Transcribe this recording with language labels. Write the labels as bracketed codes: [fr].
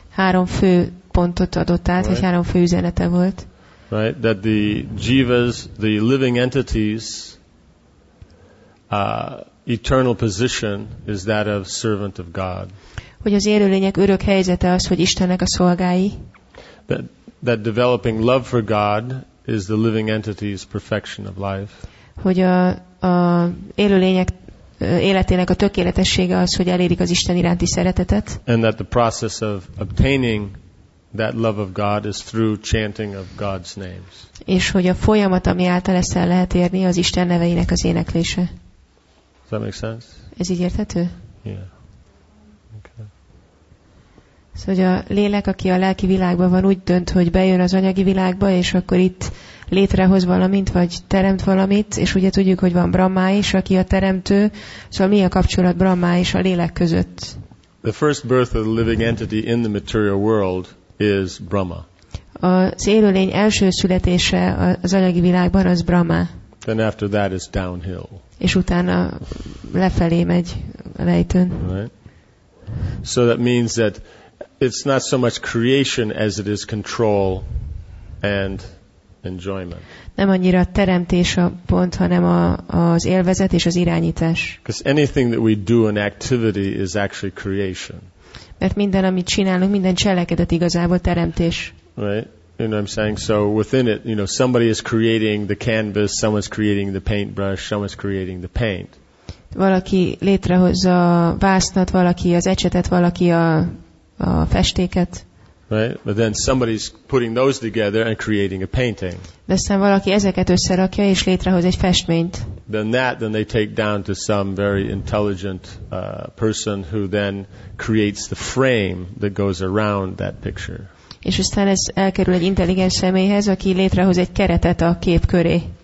[hu] Három fő pontot adott át, vagy három fő üzenete volt. [en] Right, that the jivas, the living entities, eternal position is that of servant of God. [hu] Hogy az élőlények örök helyzete az, hogy Istennek a szolgái. [en] That developing love for God is the living entity's perfection of life. [hu] Hogy a élőlények életének a tökéletessége az, hogy elérik az Isten iránti szeretetet. [en] And that the process of obtaining that love of God is through chanting of God's names. [hu] És hogy a folyamat, ami által ezt el lehet érni, az Isten neveinek az éneklése. [en] Does that make sense? [hu] Ez így érthető? [en] Yeah. [hu] Szóval, hogy a lélek, aki a lelki világban van, úgy dönt, hogy bejön az anyagi világba, és akkor itt létrehoz valamit, vagy teremt valamit, és ugye tudjuk, hogy van Brahma is, aki a teremtő, szóval mi a kapcsolat Brahma és a lélek között? [en] The first birth of the living entity in the material world is Brahma. [hu] Az élőlény első születése az anyagi világban az Brahma. [en] Then after that is downhill. [hu] És utána lefelé megy a lejtőn. [en] Right. So that means that it's not so much creation as it is control and enjoyment. [hu] Nem annyira teremtés a pont, hanem az élvezet és az irányítás. [en] Because anything that we do in activity is actually creation. [hu] Mert minden, amit csinálunk, minden cselekedet igazából teremtés. [en] Right. You know what I'm saying? So within it, you know, somebody is creating the canvas, someone's creating the paintbrush, someone's creating the paint. [hu] Valaki létrehozza a vásznat, valaki az ecsetet, valaki a festéket. [en] Right? But then somebody's putting those together and creating a painting. [hu] De aztán valaki ezeket összerakja és létrehoz egy festményt. [en] Then they take down to some very intelligent person who then creates the frame that goes around that picture. [hu] És aztán ez elkerül egy intelligens személyhez, aki létrehoz egy keretet a kép köré.